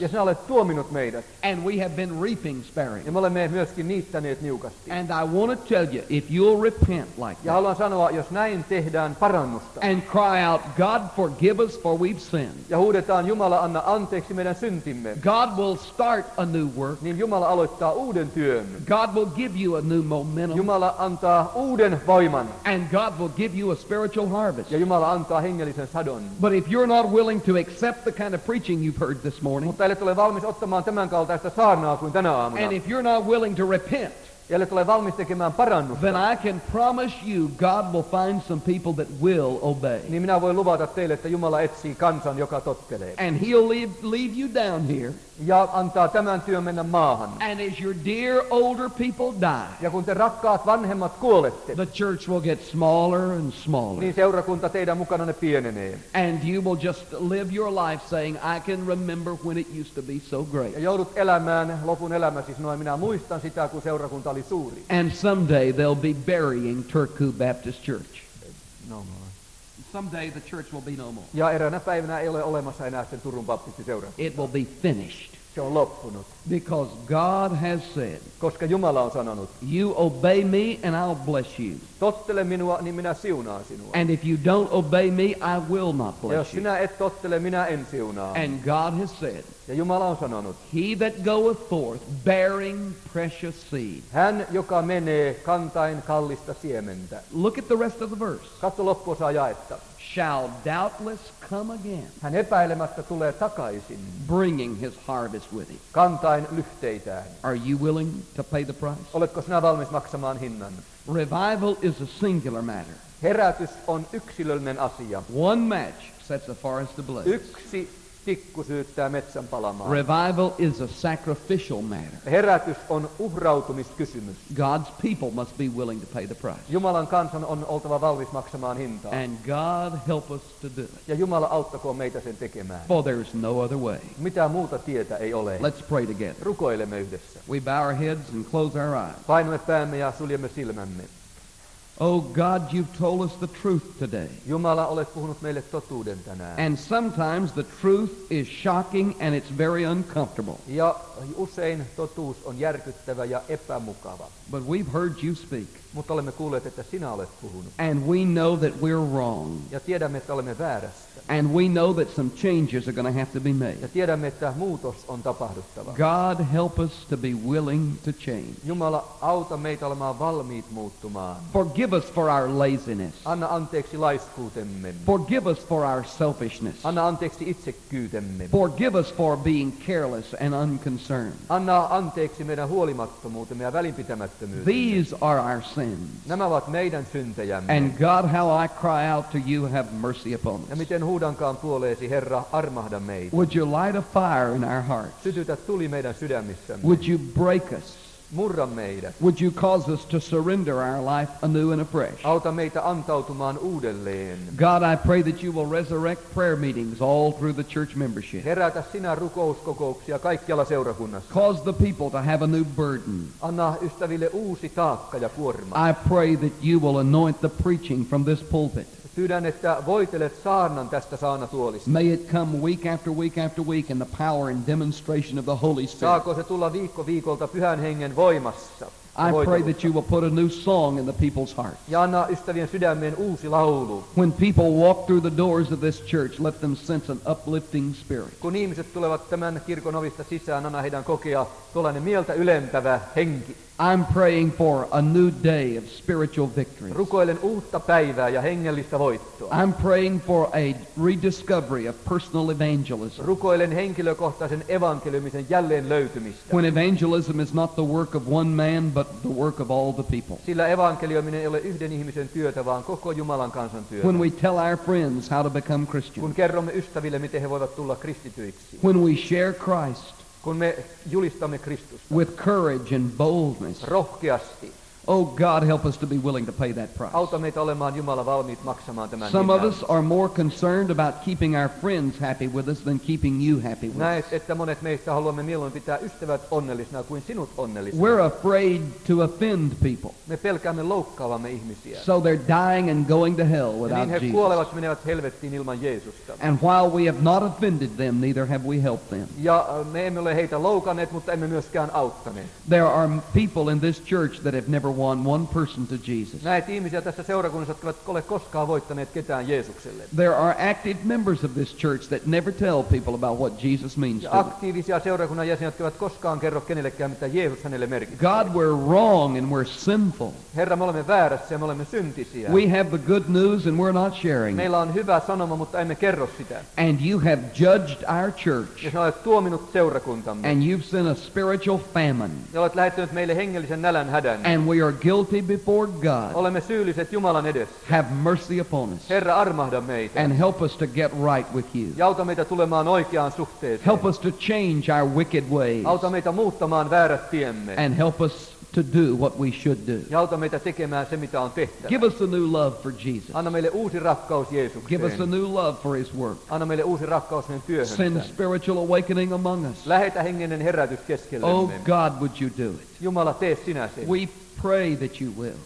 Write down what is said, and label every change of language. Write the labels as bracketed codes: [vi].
[fi] Ja sinä olet tuominut meidät. [en] And we have been reaping sparingly. [fi] Ja me olemme myöskin niittäneet niukasti. [en] And I want to tell you, if you'll repent like that. [fi] Ja haluan sanoa, jos näin tehdään parannusta. [en] And cry out, God forgive us for we've sinned. [fi] Ja huudetaan, Jumala anna anteeksi meidän syntimme. [en] God will start a new work. [fi] Niin Jumala aloittaa uuden työn. [en] God will give you a new momentum. [fi] Jumala antaa uuden voiman. [en] And God will give you a spiritual harvest. [fi] Ja Jumala antaa hengellisen sadon. [en] But if you're not willing to accept the kind of preaching you've heard this morning. [fi] Mutta ellet ole valmis ottamaan tämän kaltaista saarnaa kuin tänä aamuna. [en] And if you're not willing to repent. [fi] Ja ellet ole valmis tekemään parannusta. [en] Then I can promise you God will find some people that will obey. [fi] Niin minä voin luvata teille, että Jumala etsii kansan, joka tottelee. [en] And he'll leave you down here. [fi] Ja antaa tämän työn mennä maahan. [en] And as your dear older people die. [fi] Ja kun te rakkaat vanhemmat kuolette. [en] The church will get smaller and smaller. [fi] Niin seurakunta teidän mukana ne pienenee. [en] And you will just live your life saying, I can remember when it used to be so great. [fi] Ja joudut elämään lopun elämäsi sanoen, minä muistan sitä, kun seurakunta oli suuri. [en] And someday they'll be burying Turku Baptist Church. No more. Someday the church will be no more. [fi] Ja eräänä päivänä ei ole olemassa enää sen Turun baptistiseurakunta. [en] It will be finished. [fi] Se on loppunut. [en] Because God has said. [fi] Koska Jumala on sanonut. [en] You obey me and I'll bless you. [fi] Tottele minua, niin minä siunaan sinua. [en] And if you don't obey me, I will not bless you. [fi] Ja jos sinä et tottele, minä en siunaa. [en] And God has said. [fi] Ja Jumala on sanonut. [en] He that goeth forth bearing precious seed. [fi] Hän, joka menee kantain kallista siementä. [en] Look at the rest of the verse. [fi] Katso loppuosa jaetta. [en] Shall doubtless come again. [fi] Hän epäilemättä tulee takaisin. [en] Bringing his harvest with him. [fi] Kantain lyhteitään. [en] Are you willing to pay the price? [fi] Oletko sinä valmis maksamaan hinnan? [en] Revival is a singular matter. [fi] Herätys on yksilöllinen asia. [en] One match sets a forest ablaze. [fi] Yksi tikku syyttää metsän palamaan. [en] Revival is a sacrificial matter. [fi] Herätys on uhrautumiskysymys. [en] God's people must be willing to pay the price. [fi] Jumalan kansan on oltava valmis maksamaan hintaa. [en] And God help us to do it. [fi] Ja Jumala auttakoon meitä sen tekemään. [en] For there is no other way. [fi] Mitään muuta tietä ei ole. [en] Let's pray together. [fi] Rukoilemme yhdessä. [en] We bow our heads and close our eyes. [fi] Painamme päämme ja suljemme silmämme. [en] Oh God, you've told us the truth today. [fi] Jumala, olet puhunut meille totuuden tänään. [en] And sometimes the truth is shocking and it's very uncomfortable. [fi] Ja usein totuus on järkyttävä ja epämukava. [en] But we've heard you speak. [fi] Mutta olemme kuulleet, että sinä olet puhunut. [en] And we know that we're wrong. [fi] Ja tiedämme, että olemme väärässä. [en] And we know that some changes are going to have to be made. [fi] Ja tiedämme, että muutos on tapahduttava. [en] God, help us to be willing to change. [fi] Jumala, auta meitä olemaan valmiit muuttumaan. [en] Forgive us for our laziness. [fi] Anna anteeksi laiskuutemme. [en] Forgive us for our selfishness. [fi] Anna anteeksi itsekkyytemme. [en] Forgive us for being careless and unconcerned. [fi] Anna anteeksi meidän huolimattomuutemme ja välinpitämättömyytemme. [en] These are our sins. [fi] Nämä ovat meidän syntejämme. [en] And God, how I cry out to you, have mercy upon us. [fi] Miten huudankaan puoleesi, Herra, armahda meitä. [en] Would you light a fire in our hearts? [fi] Sytytä tuli meidän sydämissämme. [en] Would you break us? [fi] Murra meidät. [en] Would you cause us to surrender our life anew and afresh? [fi] Auta meitä antautumaan uudelleen. [en] God, I pray that you will resurrect prayer meetings all through the church membership. [fi] Herätä sinä rukouskokouksia kaikkialla seurakunnassa. [en] Cause the people to have a new burden. [fi] Anna ystäville uusi taakka ja kuorma. [en] I pray that you will anoint the preaching from this pulpit. [fi] Pyydän, että voitelet saarnan tästä saarnatuolista. [en] May it come week after week after week in the power and demonstration of the Holy Spirit. [fi] Saako se tulla viikko viikolta Pyhän Hengen voimassa? [en] I pray that you will put a new song in the people's hearts. [fi] Ja anna ystävien sydämeen uusi laulu. [en] When people walk through the doors of this church, let them sense an uplifting spirit. [fi] Kun ihmiset tulevat tämän kirkon ovista sisään, anna heidän kokea tuollainen mieltä ylentävä henki. [en] I'm praying for a new day of spiritual victories. [fi] Rukoilen uutta päivää ja hengellistä voittoa. [en] I'm praying for a rediscovery of personal evangelism. [fi] Rukoilen henkilökohtaisen evankeliumisen jälleen löytymistä. [en] When evangelism is not the work of one man, but the work of all the people. [fi] Sillä evankeliuminen ei ole yhden ihmisen työtä, vaan koko Jumalan kansan työtä. [en] When we tell our friends how to become Christians. [fi] Kun kerromme ystäville, miten he voivat tulla kristityiksi. [en] When we share Christ. [fi] Kun me julistamme Kristusta. [en] With courage and boldness. [fi] Rohkeasti. [en] Oh God, help us to be willing to pay that price. [fi] Auta meitä olemaan Jumala valmiit maksamaan tämän hinnan. [en] Some of us are more concerned about keeping our friends happy with us than keeping you happy with us. [fi] Näet, että monet meistä haluamme mieluummin pitää ystävät onnellisina kuin sinut onnellisina. [en] We're afraid to offend people. [fi] Me pelkäämme loukkaavamme ihmisiä. [en] So they're dying and going to hell without [fi] Jesus. Niin he kuolevat, menevät helvettiin ilman Jeesusta. [en] And while we have not offended them, neither have we helped them. [fi] Ja me emme ole heitä loukanneet, mutta emme myöskään auttaneet. [en] There are people in this church that have never won one person to Jesus. [fi] Näet ihmisiä tässä seurakunnassa, jotka eivät ole koskaan voittaneet ketään Jeesukselle. [en] There are active members of this church that never tell people about what Jesus means to them. [fi] Aktiivisia seurakunnan jäseniä, jotka eivät koskaan kerro kenellekään, mitä Jeesus hänelle merkitsee. [en] God, we're wrong and we're sinful. [fi] Herra, me olemme väärässä ja me olemme syntisiä. [en] We have the good news and we're not sharing. [fi] Meillä on hyvä sanoma, mutta emme kerro sitä. [en] And you have judged our church. [fi] Ja olet tuominut seurakuntamme. [en] And you've sent a spiritual famine. [fi] Ja olet lähettänyt meille hengellisen nälän hädän. [en] And we are guilty before God. [fi] Olemme syylliset Jumalan edessä. [en] Have mercy upon us. [fi] Herra, armahda meitä. [en] And help us to get right with you. [fi] Ja auta meitä tulemaan oikeaan suhteeseen. [en] Help us to change our wicked ways. [fi] Auta meitä muuttamaan väärät tiemme. [en] And help us to do what we should do. [fi] Ja auta meitä tekemään se, mitä on tehtävä. [en] Give us a new love for Jesus. [fi] Anna meille uusi rakkaus Jeesukseen. [en] Give us a new love for his work. [fi] Anna meille uusi rakkaus hänen työhönsä. [en] Send spiritual awakening among us. [fi] Lähetä hengellinen herätys keskellemme. [en] Oh God, would you do it? [fi] Jumala, tee sinä sen. [en] We pray that you will.